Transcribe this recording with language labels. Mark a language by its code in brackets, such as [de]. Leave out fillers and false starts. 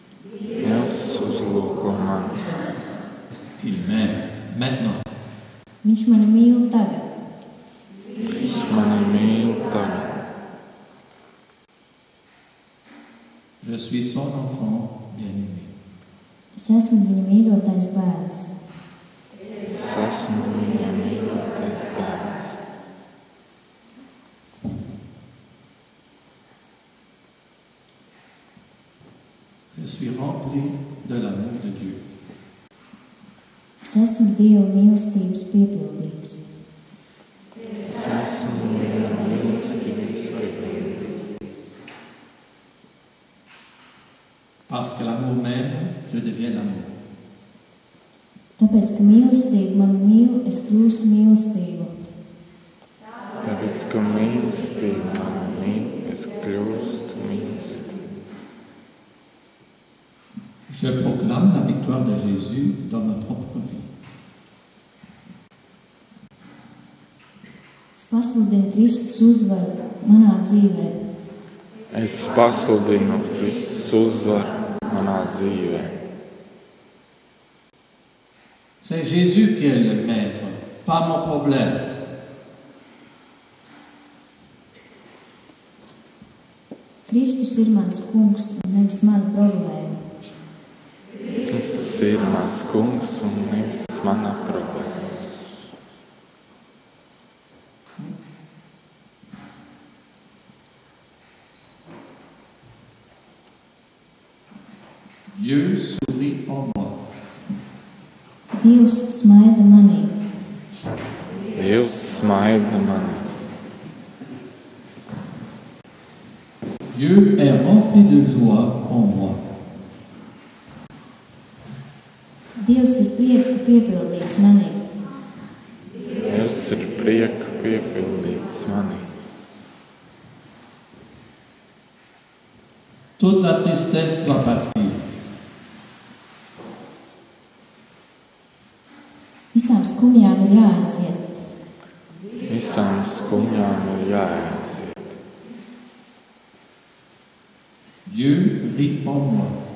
[lv] Dievs uzlūko mani. [fr] Il m'aime maintenant. [lv] Viņš mani mīl tagad. Viņš mani mīl tagad. [fr] Je suis son enfant bien-aimé. [lv] Es esmu viņa mīļotais bērns. Es esmu viņa mīļotais bērns. [fr] Je suis rempli de l'amour de Dieu. [lv] Es esmu Dieva mīlestības piepildīts. Es esmu Dieva mīlestības piepildīts. [fr] Parce que l'amour m'aime, je deviens l'amour. [lv] Tāpēc, ka mīlestība man mīl, es kļūstu mīlestību. Tāpēc, ka mīlestība man mīl, es kļūstu mīlestību. [fr] Je proclame la victoire de Jésus dans ma propre vie. [lv] Es pasludinu Kristus uzvaru manā dzīvē. Es pasludinu Kristus uzvaru manā dzīvē. [fr] C'est Jésus qui est le maître, pas mon problème. [lv] Kristus ir mans kungs, nevis mana problēma. Kristus ir mans kungs un nevis mana problēma. [fr] Dieu sourit en moi. [lv] Dievs smaida manī. Dievs smaida manī. [fr] Dieu est rempli de joie en moi. [lv] Dievs ir prieka piepildīts manī. Dievs ir prieka piepildīts mani. [fr] Toute la tristesse doit partir. [lv] Visām skumjām ir jāaiziet. Visām skumjām ir jāaiziet. [fr] Dieu rit en moi.